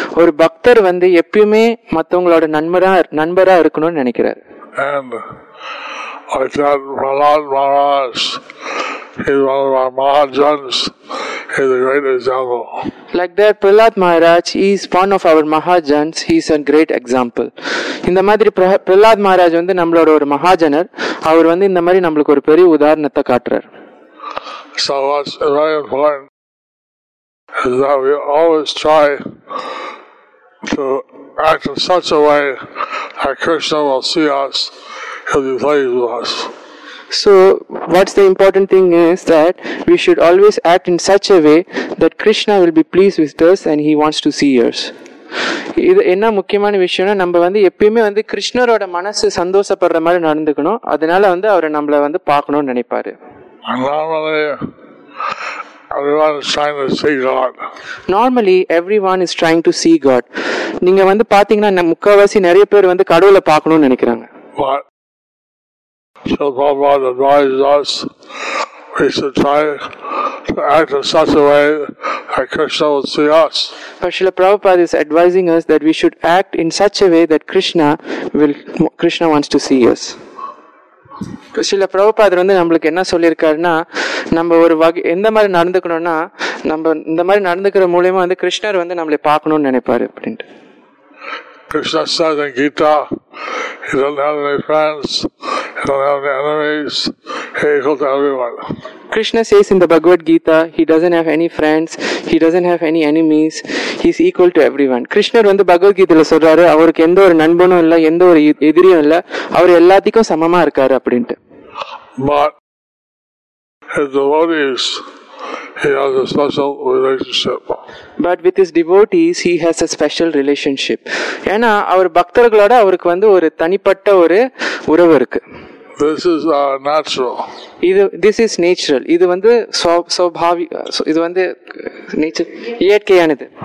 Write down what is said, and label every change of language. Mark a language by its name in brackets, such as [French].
[Tamil] ஒரு பக்தர் வந்து எப்பயுமே மத்தவங்களோட நண்பரா இருக்கணும் நினைக்கிறார். [English] And I said, Prahlad Maharaj, he's one of our Mahajans, he's a great example. Like that, Prahlad Maharaj, he is one of our Mahajans, he's a great example. [Tamil] இந்த மாதிரி Prahlad Maharaj வந்து நம்மளோட ஒரு மகாஜனர். அவர் வந்து இந்த மாதிரி நம்மளுக்கு ஒரு பெரிய உதாரணத்தை காட்டுறார். [English] So what's very important is that we always try to act in such a way that Krishna will see us, he'll be pleased with us. So what's the important thing is that we should always act in such a way that Krishna will be pleased with us and he wants to see us. [Tamil] இது என்ன முக்கியமான விஷயம்னா, நம்ம வந்து எப்பயுமே வந்து கிருஷ்ணரோட மனசு சந்தோஷப்படுற மாதிரி நடந்துக்கணும். அதனால வந்து அவரை நம்மளை வந்து பார்க்கணும்னு நினைப்பாரு. [English] Normally, everyone is trying to see God. Normally, everyone is trying to see God. [Tamil] நீங்க வந்து பாத்தீங்கன்னா, முக்கவாசி நிறைய பேர் வந்து கடவுளை பார்க்கணும்னு நினைக்கிறாங்க. [English] But Srila Prabhupada advises us, we should try to act in such a way that Krishna will see us. But Srila Prabhupada is advising us that we should act in such a way that Krishna wants to see us. [Tamil] சில பிரபுபாதர் வந்து நம்மளுக்கு என்ன சொல்லியிருக்காருன்னா, நம்ம ஒரு வகை எந்த மாதிரி நடந்துக்கணும்னா, நம்ம இந்த மாதிரி நடந்துக்கிற மூலமா வந்து கிருஷ்ணர் வந்து நம்மளை பார்க்கணும்னு நினைப்பாரு அப்படின்ட்டு. [English] Krishna says in Gita, he doesn't have any friends, he doesn't have any enemies, he's equal to everyone. Krishna says in the Bhagavad Gita, he doesn't have any friends, he doesn't have any enemies, he's equal to everyone. [Tamil] Krishna வந்து Bhagavad Gita-ல சொல்றாரு, அவருக்கு எந்த ஒரு நண்பனும் இல்ல, எந்த ஒரு எதிரியும் இல்ல, அவர் எல்லாத்துக்கும் சமமா இருக்காரு அப்படின்ட்டு. [English] His devotees, he has a special relationship. But with his devotees, he has a special relationship. [Tamil] ஏன்னா அவர் பக்தர்களோட அவருக்கு வந்து ஒரு தனிப்பட்ட ஒரு உறவு இருக்கு. [English] This is natural. This is natural. [Tamil] இது வந்து ஸ்வாபாவி, இது வந்து நேச்சர், இயற்கையானது.